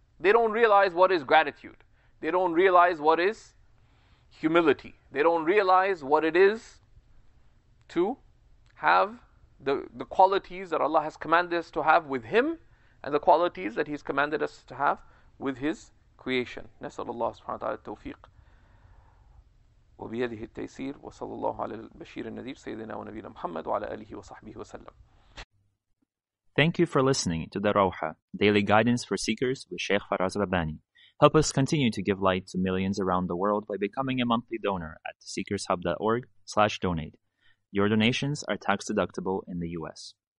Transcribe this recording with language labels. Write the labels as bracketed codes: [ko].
[en] They don't realize what is gratitude. They don't realize what is humility. They don't realize what it is to have the qualities that Allah has commanded us to have with Him and the qualities that He's commanded us to have with His creation. [ar] نسأل الله سبحانه وتعالى التوفيق وبيده التيسير وصلى الله على البشير النذير سيدنا ونبينا محمد وعلى آله وصحبه وسلم. [en] Thank you for listening to the Rawha, Daily Guidance for Seekers with Sheikh Faraz Rabbani. Help us continue to give light to millions around the world by becoming a monthly donor at seekershub.org/donate. Your donations are tax deductible in the US.